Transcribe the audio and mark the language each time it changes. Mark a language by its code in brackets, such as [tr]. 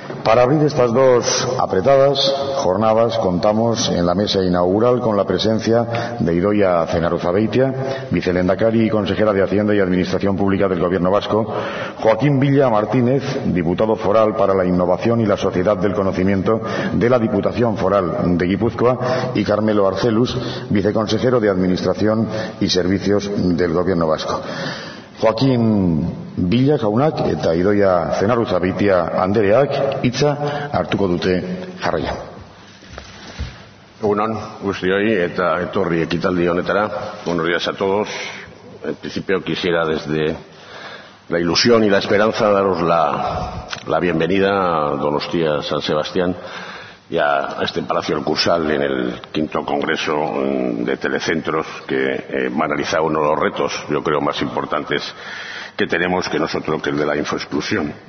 [es] Para abrir estas dos apretadas jornadas, contamos en la mesa inaugural con la presencia de Idoia Zenarruzabeitia, vicelendakari y consejera de Hacienda y Administración Pública del Gobierno Vasco, Joaquín Villa Martínez, diputado foral para la Innovación y la Sociedad del Conocimiento de la Diputación Foral de Guipúzcoa, y Carmelo Arcelus, viceconsejero de Administración y Servicios del Gobierno Vasco. [eu] Joaquín Villa jaunak eta Idoia Zenarruzabeitia andereak hitza hartuko dute jarraian. Egunon guztioi eta etorri ekitaldi honetara. [es] Buenos días a todos. En principio quisiera, desde la ilusión y la esperanza, daros la bienvenida a Donostia San Sebastián y a este Palacio del Cursal en el quinto congreso de telecentros, que va a analizar uno de los retos, yo creo, más importantes que tenemos que nosotros, que el de la infoexclusión.